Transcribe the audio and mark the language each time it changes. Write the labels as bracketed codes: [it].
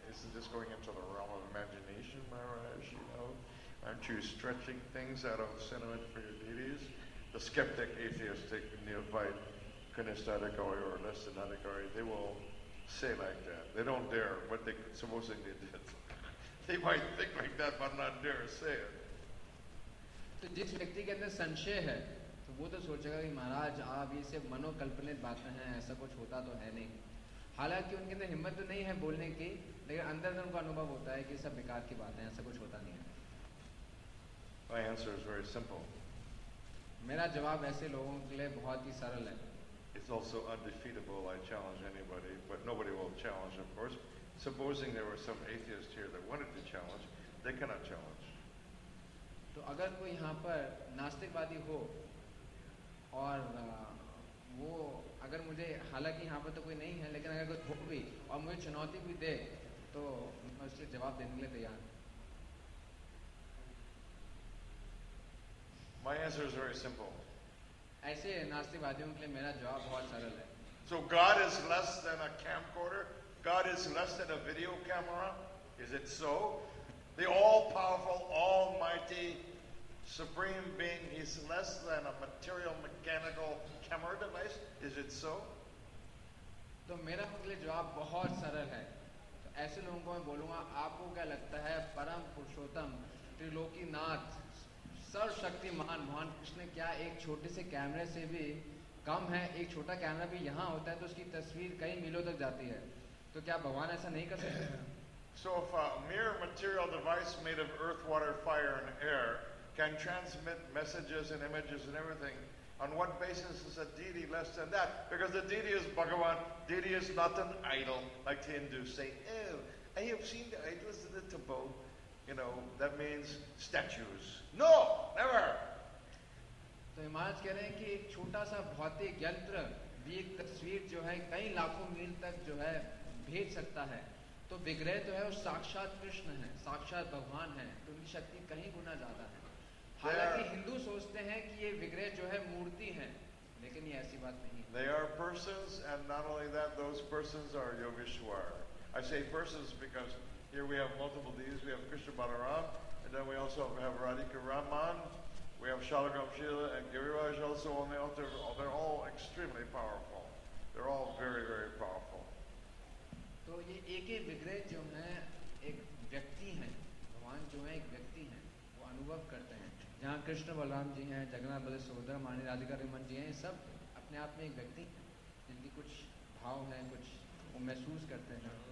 [en] isn't this going into the realm of imagination, Maharaj? You know, aren't you stretching things out of sentiment for your deities? The skeptic, atheistic, neophyte, kinesthetic, or less than that, they will say like that. They don't dare, but they supposedly did. They might think like that, but not dare say it. [hi] तो जिस व्यक्ति के अंदर संशय है तो वो तो सोचेगा कि महाराज आप ये सिर्फ मनोकल्पनित बातें हैं, ऐसा कुछ होता तो है नहीं. हालांकि उनके अंदर हिम्मत तो नहीं है बोलने की, लेकिन अंदर से उनको अनुभव होता है कि सब बेकार की बातें हैं, ऐसा कुछ होता नहीं है. [en] My answer is very simple. [hi] मेरा जवाब ऐसे लोगों के लिए बहुत ही सरल है. [en] It's also undefeatable. I challenge anybody, but nobody will challenge, of course. Supposing there were some atheists here that wanted to challenge, they cannot challenge. [hi] तो अगर कोई यहाँ पर नास्तिकवादी हो और वो अगर मुझे, हालांकि यहाँ पर तो कोई नहीं है, लेकिन अगर कोई हो भी और मुझे चुनौती भी दे तो मैं उसके जवाब देने के लिए तैयार हूँ. [en] My answer is very simple. [hi] ऐसे नास्तिकवादियों के लिए मेरा जवाब बहुत सरल है. [en] So God is less than a camcorder? God is less than a video camera? Is it so? The all-powerful, almighty, supreme being is less than a material, mechanical camera device? Is it so? [hi] तो मेरा उनके लिए जवाब बहुत सरल है. तो ऐसे लोगों को मैं बोलूँगा, आपको क्या लगता है परम पुरुषोत्तम त्रिलोकीनाथ सर्वशक्तिमान भगवान कृष्ण क्या एक छोटे से कैमरे से भी कम है? एक छोटा कैमरा भी यहाँ होता है तो उसकी तस्वीर कई मीलों तक जाती है, तो क्या भगवान ऐसा नहीं कर सकते? [en] So if a mere material device made of earth, water, fire and air can transmit messages and images and everything, on what basis is a deity less than that? Because the deity is Bhagavan. Deity is not an idol like the Hindus say. Oh, I have seen the idols in the temple. You know, that means statues. No, never! So Imaj is saying that a small [hi] bhautik yantra bhi ek tasveer jo hai kai lakhon mil tak jo hai bhej sakta hai. तो विग्रह तो है और साक्षात कृष्ण है, साक्षात भगवान है, तो उनकी शक्ति कहीं गुना ज्यादा है. हालांकि हिंदू सोचते हैं कि ये विग्रह जो है मूर्ति है, लेकिन ये ऐसी बात नहीं. [en] They are persons and not only that, those persons are Yogeshwar. I say persons because here we have multiple deities. We have Krishna Balaram and then we also have Radhika Raman. We have Shalagram Shila and Giriraj also on the altar. They're all extremely powerful. They're all very, very powerful. [hi] तो ये एक ही विग्रह जो है एक व्यक्ति है, भगवान जो है एक व्यक्ति है, वो अनुभव करते हैं. जहाँ कृष्ण बलराम जी हैं, जगन्नाथ बलदेव सुभद्रा मानी, राधिका रमन जी हैं, ये सब अपने आप में एक व्यक्ति हैं जिनकी कुछ भाव हैं, कुछ वो महसूस करते हैं.